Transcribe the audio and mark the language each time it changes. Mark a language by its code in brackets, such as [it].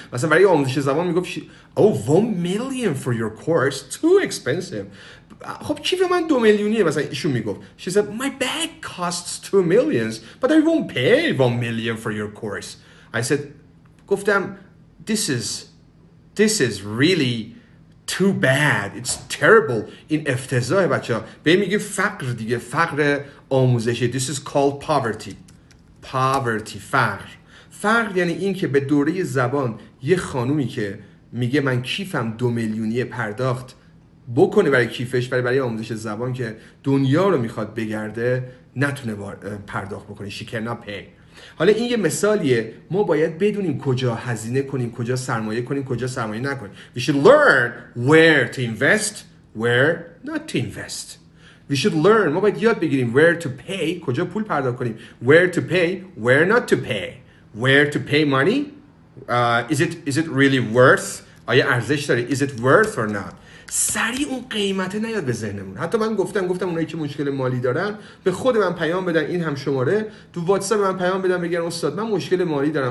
[fa] مثلا برای آموزش زبان میگفت [en] oh, 1,000,000 for your course, too expensive. [fa] خب کیف من 2,000,000ه مثلا، ایشون میگفت. [en] She said, my bag costs 2,000,000, but I won't pay 1,000,000 for your course. I said, [fa] گفتم [en] this is really too bad. It's terrible. [fa] این افتضاحه بچه ها. به میگه فقر دیگه، فقر آموزشی. [en] This is called poverty. Poverty, فقر. [fa] فقر یعنی این که به دوره زبان یه خانومی که میگه من کیفم 2,000,000 پرداخت بکنه برای کیفش، برای آموزش زبان که دنیا رو میخواد بگرده، نتونه پرداخت بکنه. [en] She cannot pay. [fa] حالا این یه مثالیه، ما باید بدونیم کجا هزینه کنیم، کجا سرمایه کنیم، کجا سرمایه نکنیم. [en] We should learn where to invest, where not to invest. We should learn، [fa] ما باید یاد بگیریم [en] where to pay، [fa] کجا پول پرداخت کنیم. [en] Where to pay, where not to pay. Where to pay money, is it really worth، [fa] آیا ارزش داره. [en] Is it worth or not. [fa] سریع اون قیمته نیاد به ذهنمون. حتی من گفتم اونایی که مشکل مالی دارن به خود من پیام بدن، این هم شماره تو واتساپ من پیام بدن بگن استاد من مشکل مالی دارم.